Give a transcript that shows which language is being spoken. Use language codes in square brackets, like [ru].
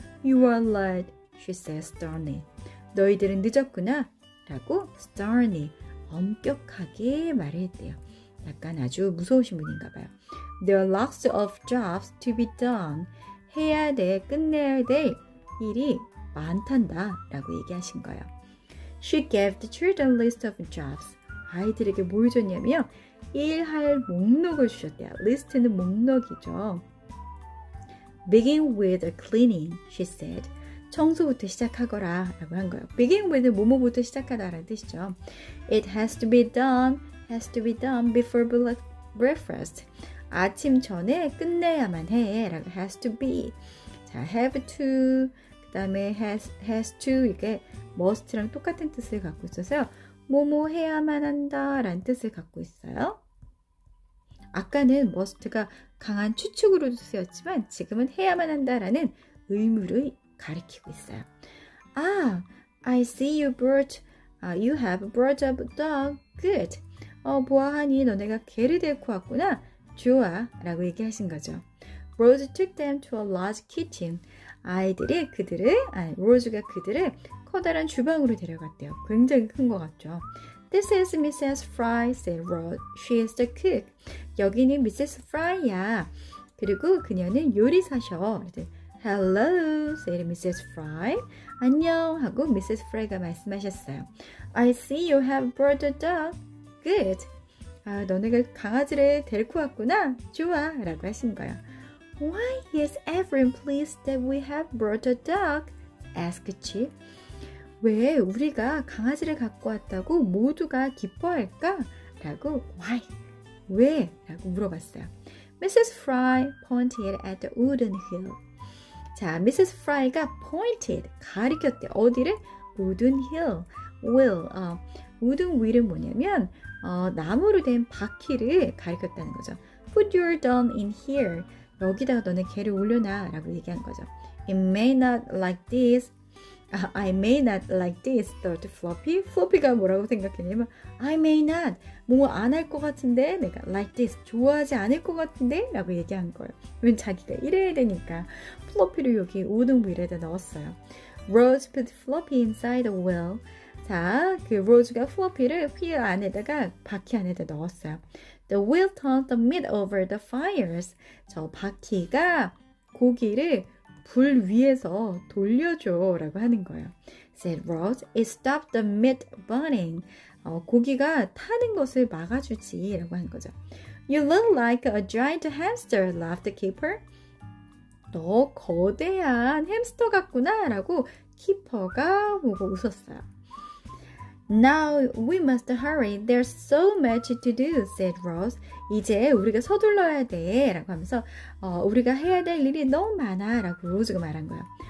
[en] You are late, she said sternly. [ko] 너희들은 늦었구나 라고 [en] sternly [ko] 엄격하게 말을 했대요. 약간 아주 무서우신 분인가 봐요. [en] There are lots of jobs to be done. [ko] 해야 돼, 끝내야 될 일이 많단다 라고 얘기하신 거예요. [en] She gave the children a list of jobs. [ko] 아이들에게 뭘 줬냐면 일할 목록을 주셨대요. List는 목록이죠. [en] Begin with a cleaning, she said. [ko] 청소부터 시작하거라 라고 한 거예요. [en] Begin with는 [ko] 뭐뭐부터 시작하다 라는 뜻이죠. [en] It has to be done, has to be done before breakfast. [ko] 아침 전에 끝내야만 해 라고 [en] has to be. [ko] 자, have to, 그 다음에 has to 이게 must랑 똑같은 뜻을 갖고 있어서요. 뭐뭐 해야만 한다 라는 뜻을 갖고 있어요. 아까는 must가 강한 추측으로도 쓰였지만 지금은 해야만 한다라는 의무를 가리키고 있어요. [en] 아, I see you brought, you have brought up a dog. Good. [ko] 보아하니 너네가 개를 데리고 왔구나. 좋아. 라고 얘기하신 거죠. [en] Rose took them to a large kitchen. [ko] 아이들이 그들을, 아니, Rose가 그들을 커다란 주방으로 데려갔대요. 굉장히 큰 것 같죠. [en] This is Mrs. Fry, said Rose. She is the cook. [ko] 여기는 Mrs. Fry야. 그리고 그녀는 요리사셔. [en] Hello, said Mrs. Fry. [ko] 안녕 하고 [en] Mrs. [ko] Fry가 말씀하셨어요. [en] I see you have brought a dog. Good. [ko] 아, 너네가 강아지를 데리고 왔구나. 좋아. 라고 하신 거예요. [en] Why is everyone pleased that we have brought a dog? Asked she. [ko] 왜 우리가 강아지를 갖고 왔다고 모두가 기뻐할까? 라고 why? 왜? 라고 물어봤어요. Mrs. [en] Fry pointed at the wooden hill. 자, Mrs. [ko] Fry가 pointed, 가리켰대. 어디를? [en] Wooden hill. [ko] Will, wooden wheel은 뭐냐면 나무로 된 바퀴를 가리켰다는 거죠. [en] Put your dog in here. [ko] 여기다가 너네 개를 올려놔 라고 얘기한 거죠. [en] It may not like this. I may not like this, thought Floppy. [ko] Floppy가 뭐라고 생각했냐면 [en] I may not, [ko] 뭐 안 할 것 같은데 내가 [en] like this, [ko] 좋아하지 않을 것 같은데 라고 얘기한 거예요. 왜냐면 자기가 이래야 되니까 Floppy를 여기 wooden wheel에다 넣었어요. [en] Rose put Floppy inside the well. [ko] 자, 그 Rose가 Floppy를 wheel 안에다가 바퀴 안에다 넣었어요. [en] The wheel turned the meat over the fires. [ko] 저 바퀴가 고기를 불 위에서 돌려줘 라고 하는 거예요. [en] Said Rose, it stopped the meat burning. [ko] 고기가 타는 것을 막아주지 라고 하는 거죠. [en] You look like a giant hamster, laughed the keeper. [ko] 너 거대한 햄스터 같구나 라고 키퍼가 보고 웃었어요. [en] Now we must hurry. There's so much to do, said Rose. [ko] 이제 우리가 서둘러야 돼 라고 하면서 우리가 해야 될 일이 너무 많아 라고 로즈가 말한 거야.